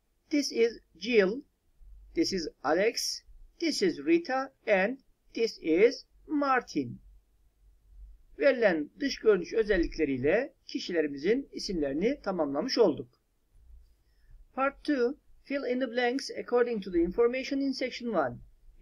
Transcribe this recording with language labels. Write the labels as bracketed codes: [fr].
[en] This is Jill, this is Alex, this is Rita and this is Martin. [tr] Verilen dış görünüş özellikleriyle kişilerimizin isimlerini tamamlamış olduk. [en] Part 2. Fill in the blanks according to the information in section 1.